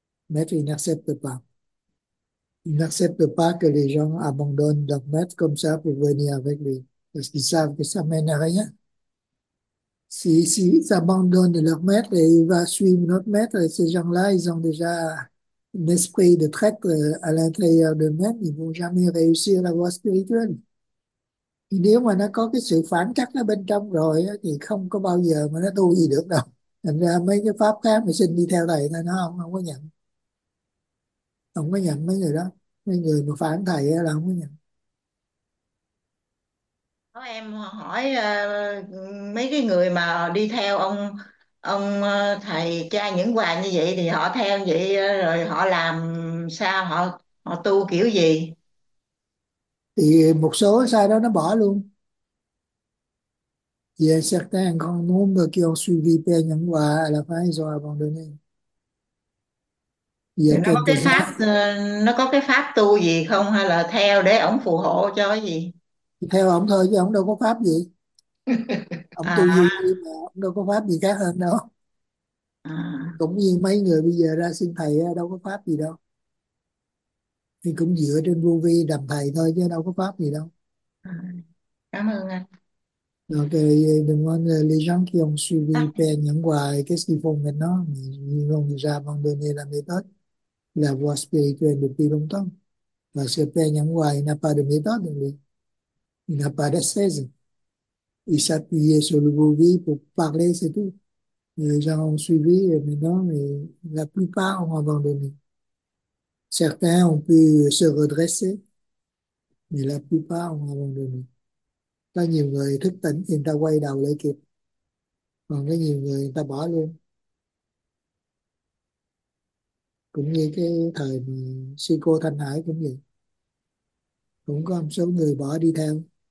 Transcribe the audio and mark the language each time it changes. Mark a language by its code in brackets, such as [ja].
[fr] Maître, il n'accepte pas. Il n'accepte pas que les gens abandonnent leur maître comme ça pour venir avec lui, parce qu'ils savent que ça mène à rien. S'ils abandonnent leur maître et il va suivre notre maître, ces gens-là, ils ont déjà un esprit de traître à l'intérieur d'eux-mêmes, ils vont jamais réussir la voie spirituelle. [vi] Et nếu mà nó có cái sự phản trắc ở bên trong rồi thì không có bao giờ mà nó tu gì được đâu. Thành ra mấy cái pháp khác mà xin đi theo thầy thì nó không có nhận. Không có nhận mấy người đó. Mấy người mà phản thầy là không có nhận. Em hỏi mấy cái người mà đi theo ông thầy cha Nhẫn Hoàng như vậy thì họ theo vậy rồi họ làm sao, họ họ tu kiểu gì? Thì một số sau đó nó bỏ luôn. [fr] Il y a certains grands nombres qui ont suivi Père Nhẫn Hòa, à la fin ils ont abandonné. Il y [vi] Thì [fr] a [vi] nó có cái [fr] quelques-uns. [vi] pháp, nó có cái pháp tu gì không, hay là theo để ổng phù hộ cho cái gì? Theo ông thôi chứ ông đâu có pháp gì. Ông tu vô À. duyên mà ông đâu có pháp gì khác hơn đâu. À. Cũng như mấy người bây giờ ra xin thầy đâu có pháp gì đâu. Thì cũng dựa trên vô vi đầm thầy thôi chứ đâu có pháp gì đâu. Cảm ơn anh. [fr] Ok, [vi] đừng quên [fr] les gens qui ont suivi Père Nhẫn Hòa, qu'est-ce qu'ils font maintenant? Ils ont déjà abandonné la méthode, la voie spirituelle depuis longtemps. Parce que Père Nhẫn Hòa, il n'a pas de méthode, lui. Il n'a pas d'ascèse. Il s'appuyait sur le vô vi pour parler, c'est tout. Les gens ont suivi maintenant, mais la plupart ont abandonné. Certains ont pu se redresser, mais la plupart ont abandonné. [vi] Có nhiều người thức tỉnh thì người ta quay đầu lại kịp, còn có nhiều người người ta bỏ luôn. Cũng như cái thời sư cô Thanh Hải cũng vậy, cũng có một số người bỏ đi theo.